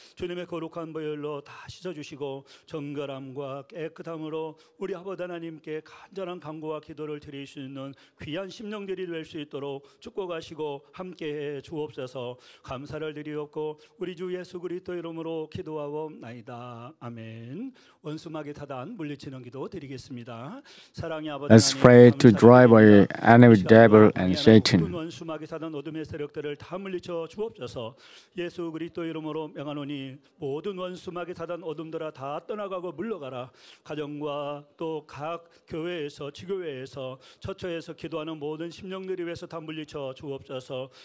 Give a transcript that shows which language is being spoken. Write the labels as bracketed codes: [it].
[ko] 주님의 거룩한 보혈로 다 씻어주시고 정결함과 깨끗함으로 우리 아버지 하나님께 간절한 간구와 기도를 드릴 수 있는 귀한 심령들이 될 수 있도록 축복하시고 함께해 주옵소서. 감사를 드리옵고 우리 주 예수 그리스도 이름으로 기도하옵나이다. 아멘. 원수마귀 사단 물리치는 기도 드리겠습니다. 사랑의 아버지 [en] 하나님, Let's pray to drive away enemy devil and Satan. [ko] 원수마귀 사단 어둠의 세력들을 다 물리쳐 주옵소서. 예수 그리스도 이름으로 명하노니 모든 원수마귀 사단 어둠들아 다 떠나가고 물러가라. 가정과 또 각 교회에서 지교회에서 처처에서 기도하는 모든 심령들이 위해서 다 물리쳐 주옵소서.